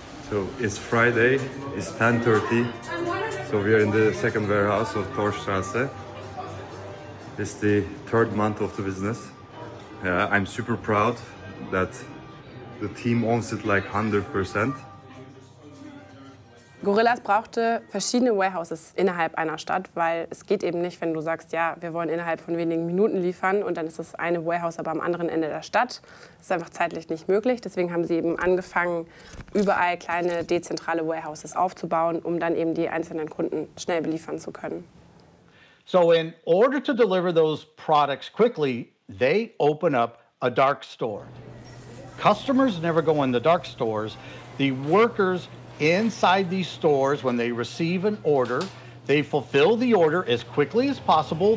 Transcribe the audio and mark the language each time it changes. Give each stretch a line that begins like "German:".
English: So it's Friday, it's 10:30. So we are in the second warehouse of Torstrasse. It's the third month of the business. I'm super proud that the team owns it like 100%.
German: Gorillas brauchte verschiedene Warehouses innerhalb einer Stadt, weil es geht eben nicht, wenn du sagst, ja, wir wollen innerhalb von wenigen Minuten liefern und dann ist das eine Warehouse aber am anderen Ende der Stadt. Das ist einfach zeitlich nicht möglich. Deswegen haben sie eben angefangen, überall kleine dezentrale Warehouses aufzubauen, um dann eben die einzelnen Kunden schnell beliefern zu können.
English: So in order to deliver those products quickly, they open up a dark store. Customers never go in the dark stores. The workers inside these stores, when they receive an order, they fulfill the order as quickly as possible.